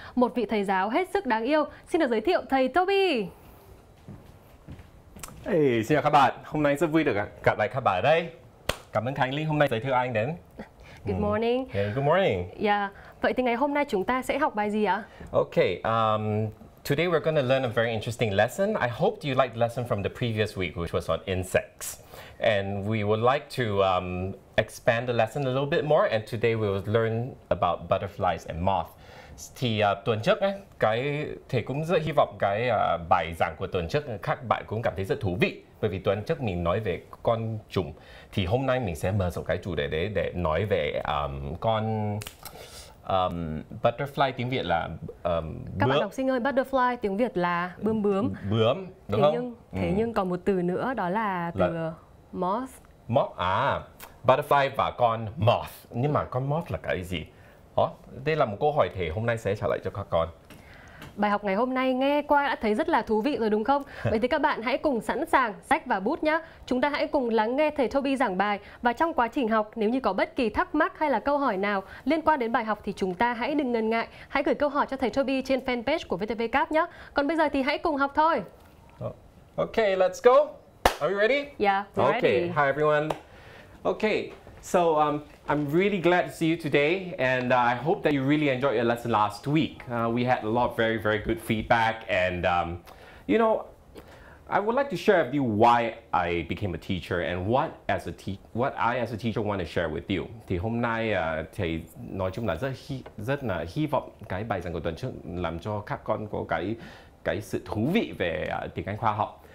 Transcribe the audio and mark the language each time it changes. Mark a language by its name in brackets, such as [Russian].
[Vietnamese] Một vị thầy giáo hết sức đáng yêu, xin được giới thiệu thầy Toby. Hey, xin chào các bạn, hôm nay rất vui được gặp lại các bạn ở đây. Cảm ơn Khánh Linh hôm nay giới thiệu anh đến. [English] Good morning. Hey, good morning. Yeah. [Vietnamese] Vậy thì ngày hôm nay chúng ta sẽ học bài gì ạ? [English] Okay, today we're going to learn a very interesting lesson. I hope you liked the lesson from the previous week, which was on insects. And we would like to expand the lesson a little bit more. And today we will learn about butterflies and moths. [Vietnamese] Thì tuần trước, thầy cũng rất hy vọng cái bài giảng của tuần trước các bạn cũng cảm thấy rất thú vị. Bởi vì tuần trước mình nói về con trùng. Thì hôm nay mình sẽ mở rộng cái chủ đề đấy để nói về con... butterfly tiếng Việt là các bạn học sinh ơi, butterfly tiếng Việt là bướm bướm. Bướm, đúng không? Thế nhưng còn một từ nữa đó là từ moth. Moth, à, butterfly và con moth. Nhưng mà con moth là cái gì? Đây là một câu hỏi thầy hôm nay sẽ trả lời cho các con. Bài học ngày hôm nay nghe qua đã thấy rất là thú vị rồi đúng không? Vậy thì các bạn hãy cùng sẵn sàng sách và bút nhé. Chúng ta hãy cùng lắng nghe thầy Toby giảng bài. Và trong quá trình học, nếu như có bất kỳ thắc mắc hay là câu hỏi nào liên quan đến bài học thì chúng ta hãy đừng ngần ngại. Hãy gửi câu hỏi cho thầy Toby trên fanpage của VTV Cup nhé. Còn bây giờ thì hãy cùng học thôi. [English] Okay, let's go. Are you ready? Yeah, we're ready. Okay, hi everyone. Okay, so I'm really glad to see you today, and I hope that you really enjoyed your lesson last week. We had a lot of very, very good feedback, and you know, I would like to share with you why I became a teacher and what I as a teacher want to share with you. [Vietnamese] Thì hôm nay thầy nói chung là rất là hy vọng cái bài giảng của tuần trước làm cho các con có cái sự thú vị về tiếng Anh khoa học.